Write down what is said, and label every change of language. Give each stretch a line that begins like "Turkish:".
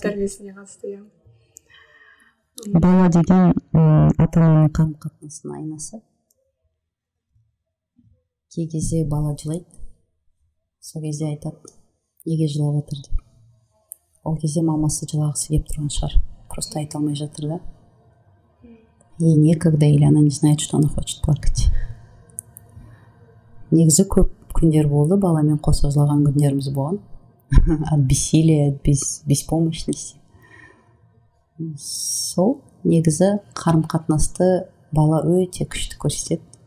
Kazakh: Бала тәрбиесіне қатысты, иә. Бала деген ата-ананың қарым-қатынасына айнасы. Кей кезде бала жылайды. Сол кезде айтады, неге жылап отыр деп. Ол кезде мамасы жылағысы келіп тұрған шығар. Просто айта алмай жатыр да.
Russian: И некогда, или она не знает, что она хочет плакать.
Kazakh: Негізі көп күндер болды, баламен қоса жылаған күндеріміз болған.
Russian: От бессилия, от беспомощности.
Kazakh: Сол, негізі қарым-қатынасты бала өте күшті көрсетеді.